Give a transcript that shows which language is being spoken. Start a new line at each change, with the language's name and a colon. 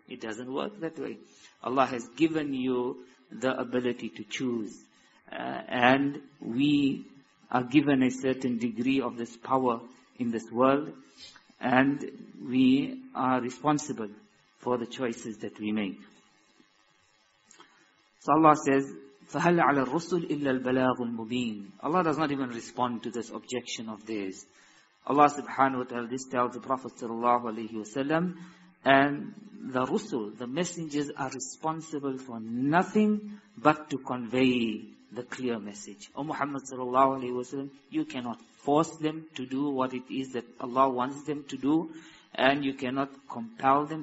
English: It doesn't work that way. Allah has given you the ability to choose. And we are given a certain degree of this power in this world. And we are responsible for the choices that we make.
Arabic: So Allah says, فَهَلْ عَلَى الرُّسُلِ إِلَّا الْبَلَاغُ الْمُبِينَ.
English: Allah does not even respond to this objection of theirs. Allah subhanahu wa ta'ala, this tells the Prophet sallallahu alayhi wa sallam, and the rusul, the messengers, are responsible for nothing but to convey the clear message. O Muhammad sallallahu alayhi wa sallam, you cannot force them to do what it is that Allah wants them to do, and you cannot compel them.